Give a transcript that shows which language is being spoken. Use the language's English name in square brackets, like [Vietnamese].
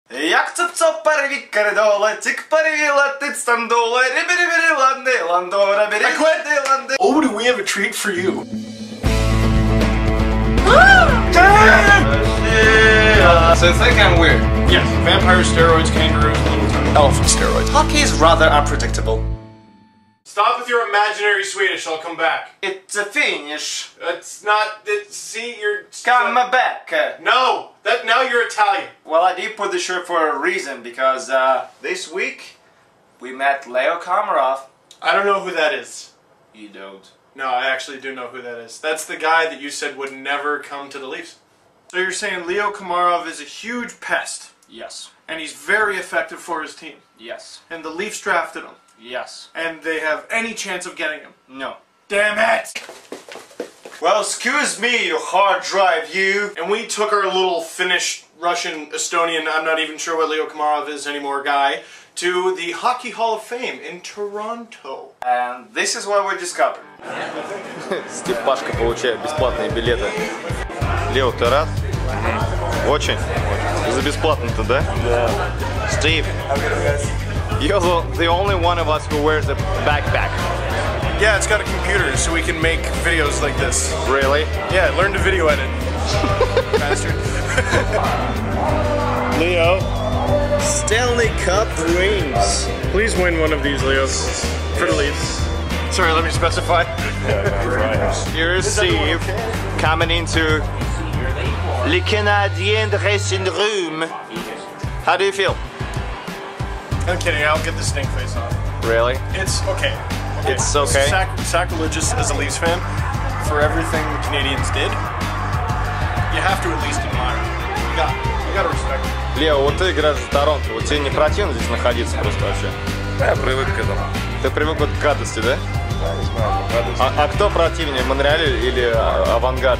[English] як цупцо перві кередола, тік перві латит стандола, рибірібірі ланди, ландора, бірі ланди, ланди. Oh, do we have a treat for you? So it's that kind of weird. Yes, vampire steroids, kangaroos, elephant steroids. Hockey is rather unpredictable. Stop with your imaginary Swedish, I'll come back. It's a Finnish. It's not, it's, see, you're... Come back. No, that now you're Italian. Well, I did put the shirt for a reason, because this week we met Leo Komarov. I don't know who that is. You don't. No, I actually do know who that is. That's the guy that you said would never come to the Leafs. So you're saying Leo Komarov is a huge pest? Yes. And he's very effective for his team? Yes. And the Leafs drafted him? Yes. And they have any chance of getting him? No. Damn it! Well, excuse me, you hard drive, you! And we took our little Finnish, Russian, Estonian, I'm not even sure what Leo Komarov is anymore guy, to the Hockey Hall of Fame in Toronto. And this is what we discovered. [Russian] Степашка получает бесплатные билеты. Лео, ты рад? Очень. За бесплатно-то, да? Да. Стив. [English] You're the only one of us who wears a backpack. Yeah, it's got a computer, so we can make videos like this. Really? Yeah, learn to video edit. Leo. Stanley Cup rings. Please win one of these, Leo. For the Leafs. Sorry, let me specify. Here is Steve coming into Le Canadien dressing room. How do you feel? I'm kidding, I'll get the stink face off. Really? It's okay. It's okay? It's sacrilegious as a Leafs fan for everything the Canadians did. You have to at least admire it. You gotta respect it. [Russian] Лео, вот ты играешь в Торонто, вот тебе не противно здесь находиться просто вообще? Да, я привык к этому. Ты привык вот к гадости, да? Да, не знаю, гадости. А кто противнее, Монреаль или Авангард?